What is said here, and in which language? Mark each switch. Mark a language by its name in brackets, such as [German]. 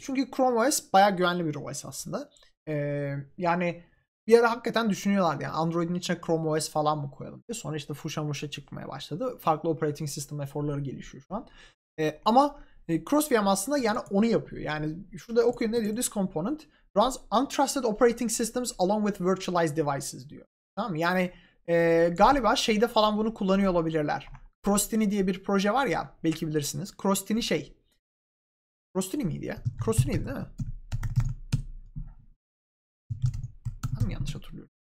[Turkish] Çünkü Chrome OS bayağı güvenli bir OS aslında. Yani bir ara hakikaten düşünüyorlardı yani Android'in içine Chrome OS falan mı koyalım diye. Sonra işte fuşa muşa çıkmaya başladı. Farklı operating system eforları gelişiyor şu an. Ama CrossVM aslında yani onu yapıyor. Yani şurada okuyun ne diyor? [English] This component runs untrusted operating systems along with virtualized devices [Turkish] diyor. Tamam mı? Yani galiba şeyde falan bunu kullanıyor olabilirler. Crostini diye bir proje var ya belki bilirsiniz. Crostini şey. Crostini miydi ya? Crostiniydi değil mi? Ben mi yanlış hatırlıyorum?